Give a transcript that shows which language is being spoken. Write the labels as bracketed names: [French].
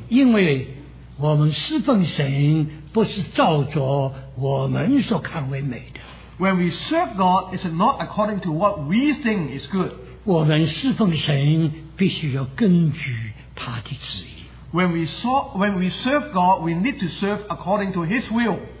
[Chinese] 因为我们侍奉神不是照着我们所看为美的。 [English] When we serve God, it's not according to what we think is good. [Chinese] 我们侍奉神必须要根据他的旨意。 [English] When we serve God, we need to serve according to His will.